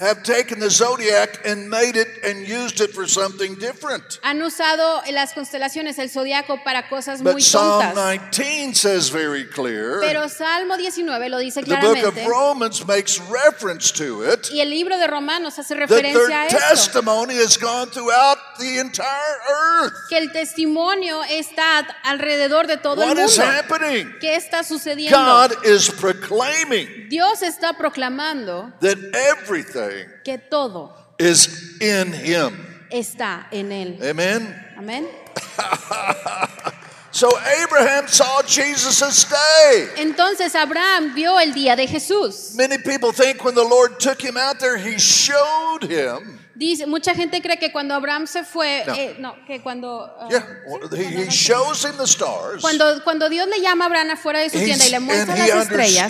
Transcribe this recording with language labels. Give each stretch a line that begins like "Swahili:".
English: Have taken the zodiac and made it and used it for something different.
Spanish: Han usado las constelaciones, el zodiaco, para cosas
English: but
Spanish: muy
English: Psalm
Spanish: tontas.
English: Psalm 19 says very clear.
Spanish: Pero Salmo 19 lo dice
English: the
Spanish: claramente.
English: The book of Romans makes reference to it.
Spanish: Y el libro de Romanos hace referencia a eso.
English: their testimony has gone throughout the entire earth.
Spanish: Que el testimonio está alrededor de todo
English: what
Spanish: el mundo.
English: What is happening?
Spanish: ¿Qué está sucediendo?
English: God is proclaiming
Spanish: Dios está proclamando
English: that everything
Spanish: que todo
English: is in him.
Spanish: Está en él.
English: Amen.
Spanish: Amen.
English: So Abraham saw Jesus' day.
Spanish: Entonces Abraham vio el día de Jesús.
English: Many people think when the Lord took him out there, he showed him.
Spanish: Dice, mucha gente cree que cuando Abraham se fue, no, que cuando...
English: He shows him the stars.
Spanish: Cuando Dios le llama a Abraham afuera de su tienda y le muestra las estrellas,